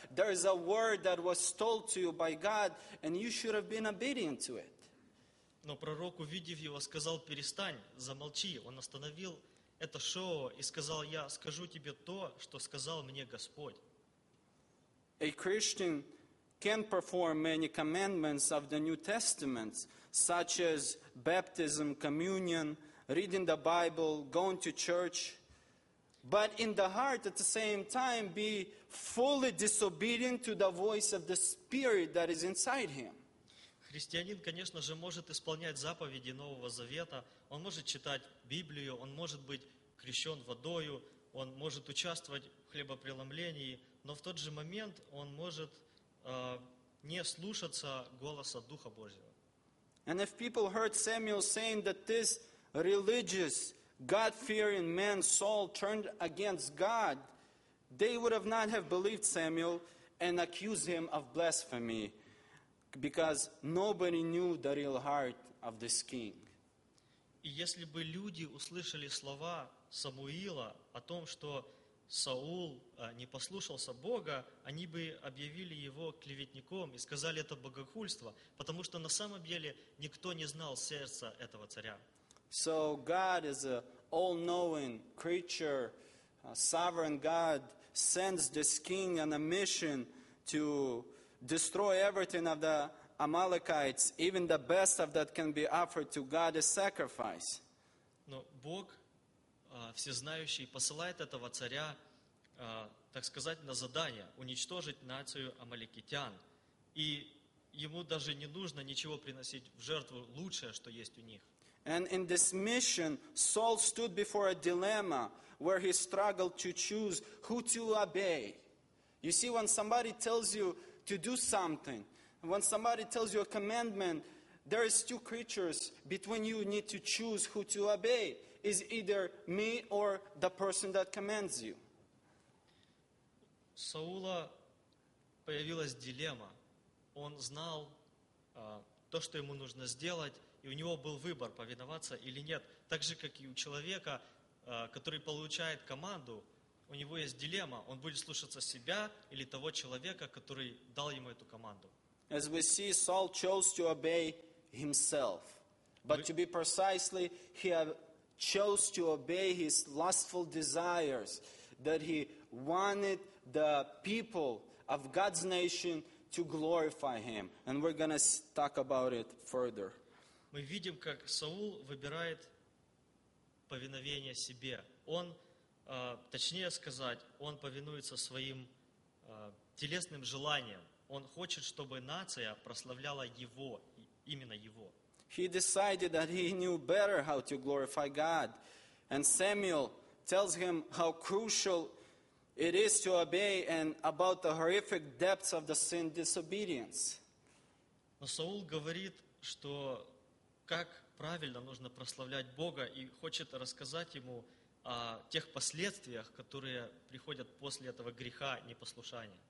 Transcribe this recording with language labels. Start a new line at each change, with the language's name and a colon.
English: There is a word that was told to you by God, and you should have been obedient to it.
Russian: Но пророк, увидев его, сказал, перестань, замолчи. Он остановил это шоу и сказал, я скажу тебе то, что сказал мне Господь.
English: A Christian can perform many commandments of the New Testament, such as baptism, communion, reading the Bible, going to church, but in the heart at the same time be fully disobedient to the voice of the Spirit that is inside him.
Russian: Христианин, конечно же, может исполнять заповеди Нового Завета, он может читать Библию, он может быть крещен водою, он может участвовать в хлебопреломлении, но в тот же момент он может не слушаться голоса Духа Божьего.
English: And if people heard Samuel saying that this religious, God-fearing man Saul turned against God, they would have not have believed Samuel and accused him of blasphemy. Because nobody knew the real heart of this king.
Russian: И если бы люди услышали слова Самуила о том, что Саул не послушался Бога, они бы объявили его клеветником и сказали это богохульство, потому что на самом деле никто не знал сердца этого царя.
English: So God is an all-knowing creature, a sovereign God sends this king on a mission to destroy everything of the Amalekites, even the best of that can be offered to God as sacrifice.
Russian: Но Бог, всезнающий, посылает этого царя, так сказать, на задание уничтожить нацию амаликитян. И ему даже не нужно ничего приносить в жертву лучшее, что есть у них.
English: And in this mission, Saul stood before a dilemma where he struggled to choose who to obey. You see, when somebody tells you to do something, when somebody tells you a commandment, there is two creatures between you need to choose who to obey. Is either me or the person that commands you.
Russian: Саула появилась дилемма. Он знал то, что ему нужно сделать, и у него был выбор, повиноваться или нет. Так же, как и у человека, который получает команду, у него есть дилемма. Он будет слушаться себя или того человека, который дал ему эту команду.
English: As we see, Saul chose to obey himself. But to be precisely, he chose to obey his lustful desires, that he wanted the people of God's nation to glorify him. And we're going to talk about it further.
Russian: Мы видим, как Саул выбирает повиновение себе. Он, точнее сказать, он повинуется своим телесным желаниям. Он хочет, чтобы нация прославляла его, именно его.
English: He decided that he knew better how to glorify God. And Samuel tells him how crucial it is to obey and about the horrific depths of the sin disobedience.
Russian: Но Саул говорит, что как правильно нужно прославлять Бога и хочет рассказать ему о тех последствиях, которые приходят после этого греха непослушания.